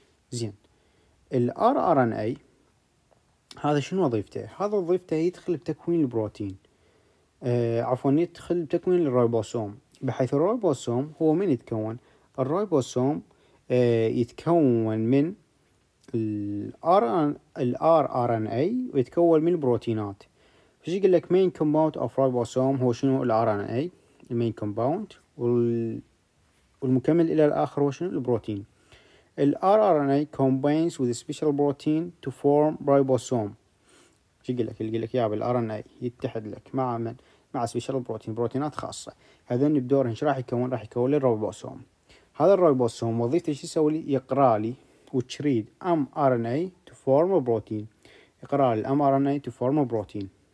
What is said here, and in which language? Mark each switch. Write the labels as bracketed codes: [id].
[ar] زين ال RRNA هذا شنو وظيفته؟ هذا وظيفته يدخل بتكوين البروتين، عفوا يدخل بتكوين الريبوسوم، بحيث الريبوسوم هو من يتكون؟ الريبوسوم يتكون من ال RRNA ويتكون من البروتينات. فشي يقول لك [en] main compound of ribosome [ar] هو شنو؟ ال RNA main compound، والمكمل الى الاخر هو شنو؟ البروتين. [en] ال RNA combines with a special protein to form ribosome. [ar] شي يقول لك؟ يقول لك يا بال RNA يتحد لك مع من؟ مع [en] special protein، [ar] بروتينات خاصة. هذين بدورهم شو راح يكون؟ راح يكون الريبوسوم. هذا الريبوسوم وظيفته شو يسوي؟ يقرا لي وتريد [en] m R N A to form protein, [ar] يقرا لي ام ار ان اي تو فورم بروتين.